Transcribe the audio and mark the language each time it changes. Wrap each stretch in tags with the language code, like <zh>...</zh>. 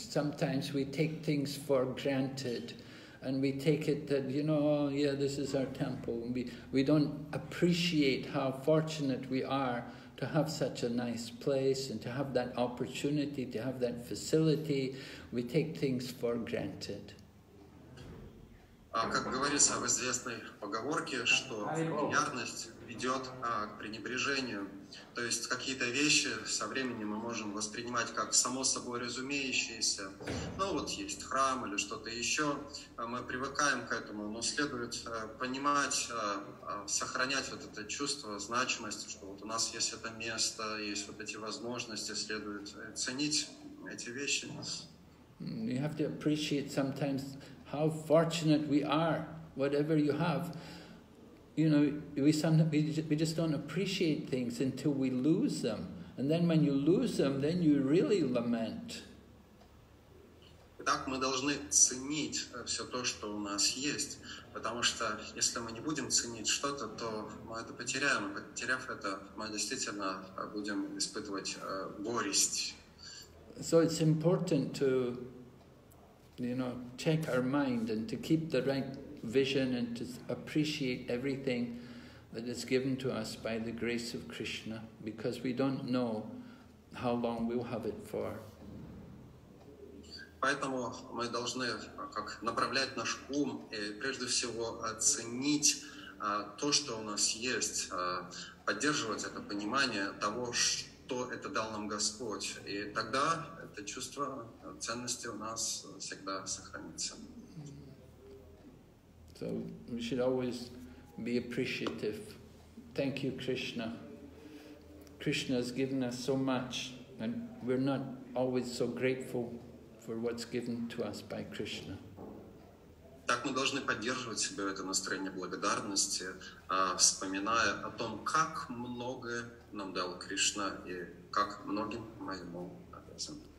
<en>Sometimes we take things for granted. And we take it that, you know, yeah, this is our temple. We don't appreciate how fortunate we are to have such a nice place and to have that opportunity, to have that facility. We take things for granted.</en> <ru>Как говорится в известной поговорке, что фамильярность ведет к пренебрежению. То есть какие-то вещи со временем мы можем воспринимать как само собой разумеющиеся. Ну вот есть храм или что-то еще, мы привыкаем к этому, но следует понимать, сохранять вот это чувство значимости, что вот у нас есть это место, есть вот эти возможности, следует ценить эти вещи.</ru> <en>You have to appreciate sometimes how fortunate we are, whatever you have. You know, we just don't appreciate things until we lose them, and then when you lose them, then you really lament.</en> <ru>Так мы должны ценить все то, что у нас есть, потому что если мы не будем ценить что-то, то мы это потеряем. Потеряв это, мы действительно будем испытывать горесть.</ru> <en>So it's important to, you know, check our mind and to keep the right vision and to appreciate everything that is given to us by the grace of Krishna, because we don't know how long we'll have it for.</en> <ru>Поэтому мы должны как направлять наш ум и прежде всего оценить то, что у нас есть, поддерживать это понимание того, что это дал нам Господь, и тогда это чувство ценности у нас всегда сохранится.</ru> <en>So we should always be appreciative. Thank you, Krishna. Krishna has given us so much, and we're not always so grateful for what's given to us by Krishna.</en> <ru>Так мы должны поддерживать себя в этом настроении благодарности, вспоминая о том, как много нам дал Кришна и как многим мы ему обязаны.</ru>